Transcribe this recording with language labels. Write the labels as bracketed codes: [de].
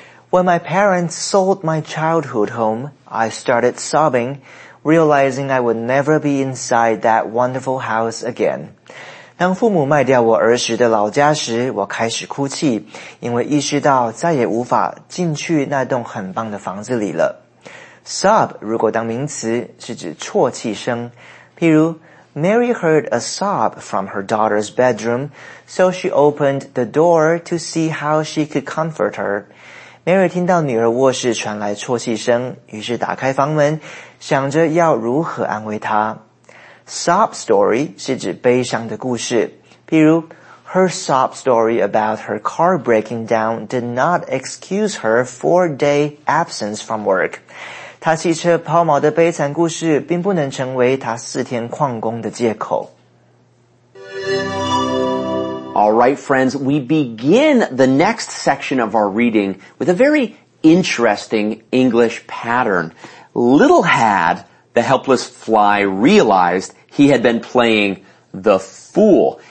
[en] When my parents sold my childhood home, I started sobbing, realizing I would never be inside that wonderful house again. [zh] 当父母卖掉我儿时的老家时，我开始哭泣，因为意识到再也无法进去那栋很棒的房子里了。 [en] Sob [zh] 如果当名词，是指啜泣声，譬如 [en] Mary heard a sob from her daughter's bedroom, so she opened the door to see how she could comfort her. [zh] Mary 听到女儿卧室传来啜泣声，于是打开房门，想着要如何安慰她。Sob story 是指悲伤的故事，譬如 [en] Her sob story about her car breaking down did not excuse her four-day absence from work. [zh] 她汽车抛锚的悲惨故事并不能成为她四天旷工的借口。 [en] Alright, friends, we begin the next section of our reading with a very interesting English pattern. Little had the helpless fly realized he had been playing the fool.